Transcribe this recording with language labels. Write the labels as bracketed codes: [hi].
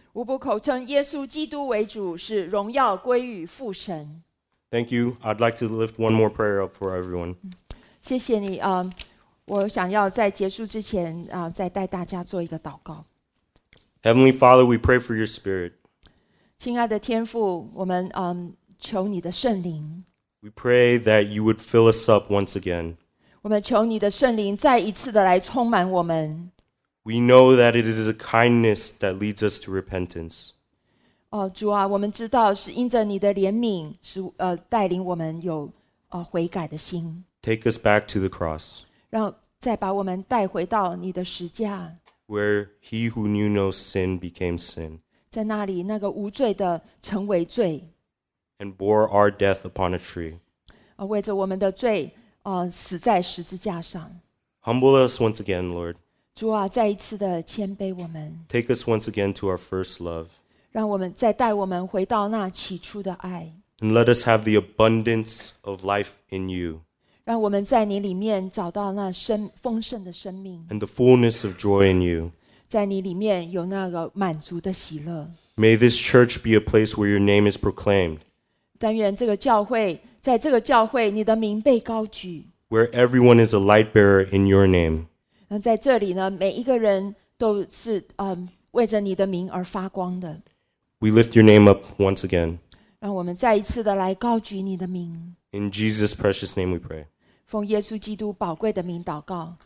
[zh] 无不口称耶稣基督为主，使荣耀归于父神。 [en] Thank you. I'd like to lift one more prayer up for everyone. [zh] 谢谢你啊。我想要在结束之前再带大家做一个祷告。 [en] Heavenly Father, we pray for your Spirit. [zh] 亲爱的天父，我们求你的圣灵。 [en] We pray that you would fill us up once again. [zh] 我们求你的圣灵再一次的来充满我们。 [en] We know that it is a kindness that leads us to repentance. [zh] 主啊，我们知道是因着你的怜悯，使带领我们有悔改的心。 [en] Take us back to the cross. [zh] 再把我们带回到你的十字架。 [en] Where he who knew no sin became sin. [zh] 在那里，那个无罪的成为罪。 [en] And bore our death upon a tree. [zh] 为着我们的罪，死在十字架上。 [en] Humble us once again, Lord. [zh] 主啊，再一次的谦卑我们。 [en] Take us once again to our first love. [zh] 让我们再带我们回到那起初的爱。 [en] And let us have the abundance of life in you. [zh] 让我们在你里面找到那丰盛的生命 [en] and the fullness of joy in you. [zh] 在你里面有那个满足的喜乐 [en] May this church be a place where your name is proclaimed. [zh] 但愿这个教会在这个教会你的名被高举 [en] Where everyone is a light bearer in your name. [zh] 在这里呢每一个人都是为着你的名而发光的 [en] We lift your name up once again. [zh] 让我们再一次的来高举你的名 [en] In Jesus' precious name we pray. [zh] 奉耶稣基督宝贵的名祷告。